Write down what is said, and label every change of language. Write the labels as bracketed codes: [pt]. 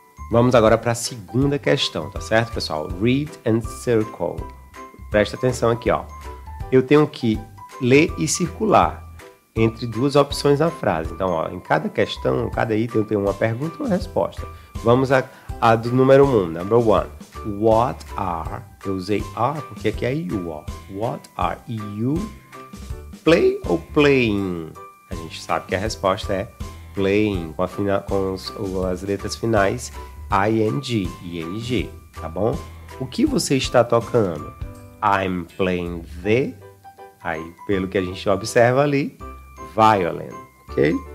[pt] Vamos agora para a segunda questão, tá certo, pessoal? [en] Read and circle. [pt] Presta atenção aqui, ó. Eu tenho que ler e circular entre duas opções na frase. Então, ó, em cada questão, cada item, eu tenho uma pergunta e uma resposta. Vamos a do número 1, number 1. [en] What are, [pt] eu usei are porque aqui é you, ó. [en] What are you, play ou playing? [pt] A gente sabe que a resposta é playing, com as letras finais ing, tá bom? O que você está tocando? [en] I'm playing the, [pt] aí pelo que a gente observa ali, violin, ok?